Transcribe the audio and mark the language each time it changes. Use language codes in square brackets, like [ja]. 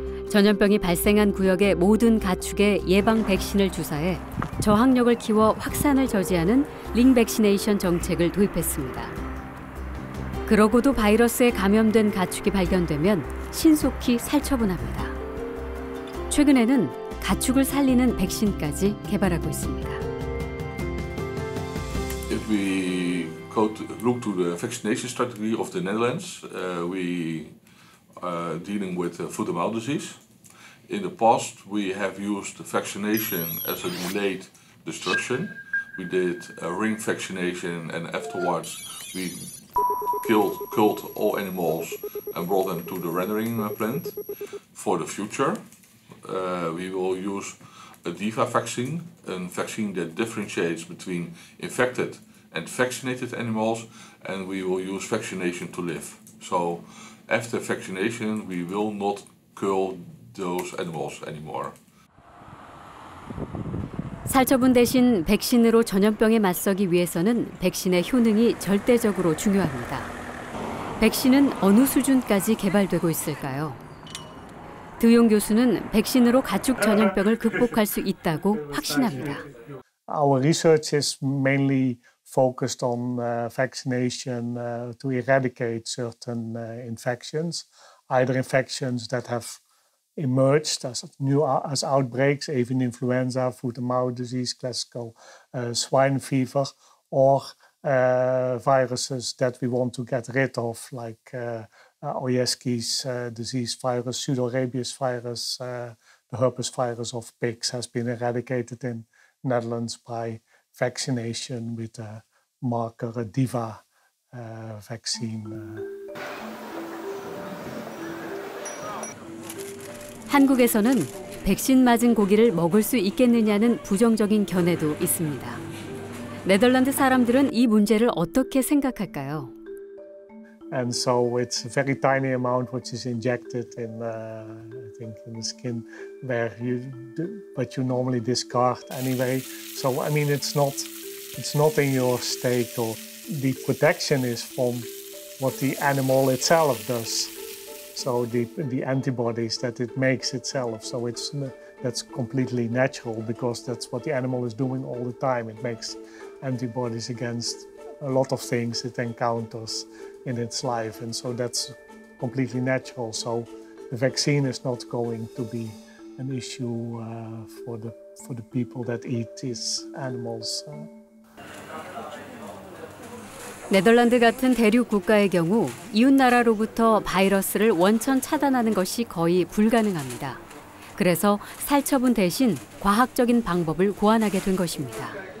[ko] 전염병이 발생한 구역의 모든 가축에 예방 백신을 주사해 저항력을 키워 확산을 저지하는 링백시네이션 정책을 도입했습니다. 그러고도 바이러스에 감염된 가축이 발견되면 신속히 살처분합니다. 최근에는 가축을 살리는 백신까지 개발하고 있습니다. [en] If we go to look to the vaccination strategy of the Netherlands, we are dealing with foot and mouth disease. In the past, we have used vaccination as a delayed destruction. We did a ring vaccination and afterwards we killed all animals and brought them to the rendering plant. For the future, we will use a DIVA vaccine, a vaccine that differentiates between infected and vaccinated animals, and we will use vaccination to live. So after vaccination, we will not kill those animals anymore. [ko] 살처분 대신 백신으로 전염병에 맞서기 위해서는 백신의 효능이 절대적으로 중요합니다. 백신은 어느 수준까지 개발되고 있을까요? 드용 교수는 백신으로 가축 전염병을 극복할 수 있다고 확신합니다. [en] Our research is mainly focused on vaccination to eradicate certain infections, either infections that have emerged as new as outbreaks, even influenza, foot and mouth disease, classical swine fever, or viruses that we want to get rid of, like Oyeski's disease virus, pseudorabies virus, the herpes virus of pigs has been eradicated in Netherlands by vaccination with the marker DIVA vaccine. [ko] 한국에서는 백신 맞은 고기를 먹을 수 있겠느냐는 부정적인 견해도 있습니다. 네덜란드 사람들은 이 문제를 어떻게 생각할까요? [en] And so it's a very tiny amount which is injected in, I think, in the skin, where you, do, but you normally discard anyway. So I mean, it's not in your steak, or the protection is from what the animal itself does. So the antibodies that it makes itself. So that's completely natural because that's what the animal is doing all the time. It makes antibodies against a lot of things it encounters in its life. And so that's completely natural. So the vaccine is not going to be an issue for the people that eat these animals. [ko] 네덜란드 같은 대륙 국가의 경우 이웃 나라로부터 바이러스를 원천 차단하는 것이 거의 불가능합니다. 그래서 살처분 대신 과학적인 방법을 고안하게 된 것입니다.